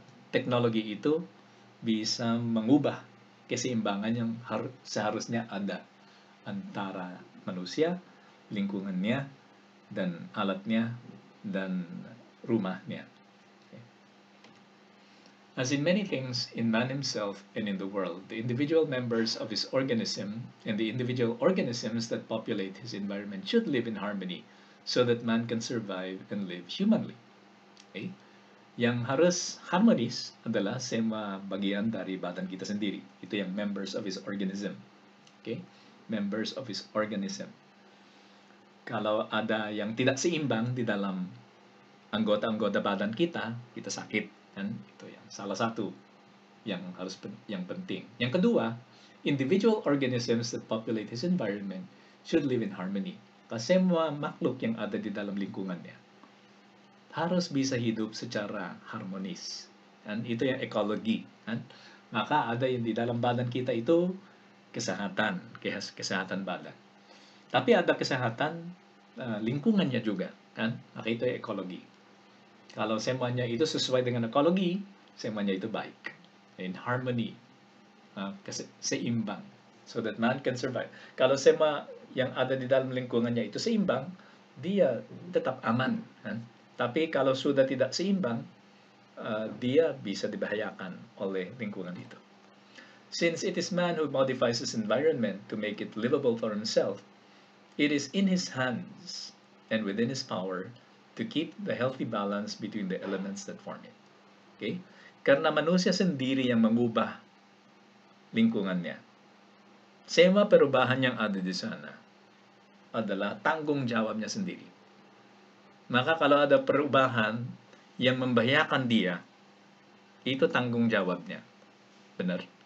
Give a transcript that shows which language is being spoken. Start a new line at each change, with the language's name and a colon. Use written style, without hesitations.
Indonesian: Teknologi itu bisa mengubah keseimbangan yang seharusnya ada antara manusia, lingkungannya, dan alatnya, dan rumahnya.
English: As in many things in man himself and in the world, the individual members of his organism and the individual organisms that populate his environment should live in harmony so that man can survive and live humanly. Okay?
Indonesian: Yang harus harmonis adalah semua bagian dari badan kita sendiri. Itu yang
English: members of his organism. Okay? Members of his organism.
Indonesian: Kalau ada yang tidak seimbang di dalam anggota-anggota badan kita, kita sakit. Kan? Itu yang salah satu yang harus yang penting. Yang kedua,
English: individual organisms that populate his environment should live in harmony.
Indonesian: Kasi semua makhluk yang ada di dalam lingkungannya harus bisa hidup secara harmonis. Dan itu yang ekologi. Kan? Maka ada yang di dalam badan kita itu kesehatan badan. Tapi ada kesehatan lingkungannya juga. Kan? Maka itu yang ekologi. Kalau semuanya itu sesuai dengan ekologi, semuanya itu baik.
English: In harmony.
Indonesian: Seimbang.
English: So that man can survive.
Indonesian: Kalau semua yang ada di dalam lingkungannya itu seimbang, dia tetap aman. Kan? Tapi kalau sudah tidak seimbang, dia bisa dibahayakan oleh lingkungan itu.
English: Since it is man who modifies his environment to make it livable for himself, it is in his hands and within his power to keep the healthy balance between the elements that form it. Okay?
Indonesian: Karena manusia sendiri yang mengubah lingkungannya. Semua perubahan yang ada di sana adalah tanggung jawabnya sendiri. Maka kalau ada perubahan yang membahayakan dia, itu tanggung jawabnya. Benar?